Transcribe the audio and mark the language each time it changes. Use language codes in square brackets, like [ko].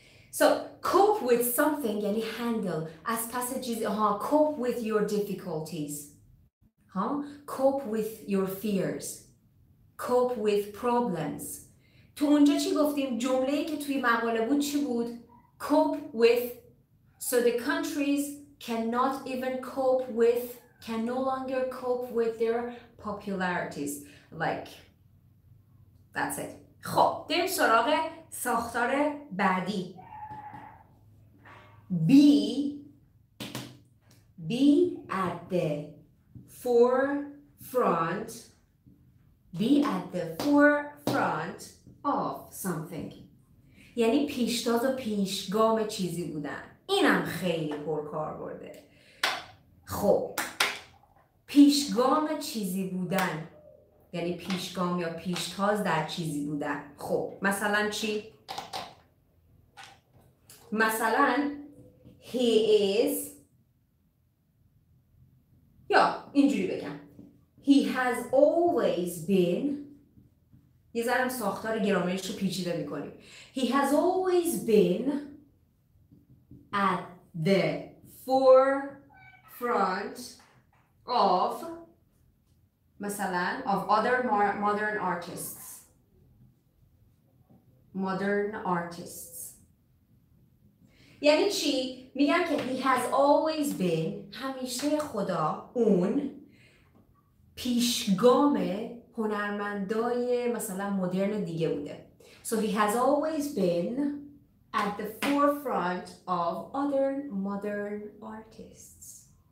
[en] So, cope with something [fa] یعنی [en] handle. As passages, cope with your difficulties. Cope with your fears. Cope with problems. [fa] تو اونجا چی گفتیم؟ جمله‌ای که توی مقاله بود چی بود؟ Cope with. [en] So the countries cannot even cope with, can no longer cope with their popularities. Like, that's it. [fa] خب، دیم سراغ ساختار بعدی. [en] Be at the forefront. Be at the forefront of something. [fa] یعنی پیشتاز و پیشگام چیزی بودن. اینم خیلی پرکار برده. خب. پیشگام چیزی بودن. یعنی پیشگام یا پیشتاز در چیزی بودن. خب. مثلا چی؟ مثلا [en] He is. [fa] یا اینجوری بگم. [en] He has always been. [fa] یه ذره ساختار گرامریش رو پیچیده میکنیم. [en] He has always been at the forefront of [fa] مثلا [en] of other modern artists. [fa] یعنی چی؟ میگم که [en] he has always been [fa] همیشه خدا اون پیشگام هنرمندای مثلا مدرن دیگه بوده. [en] So he has always been at the forefront of other modern artists.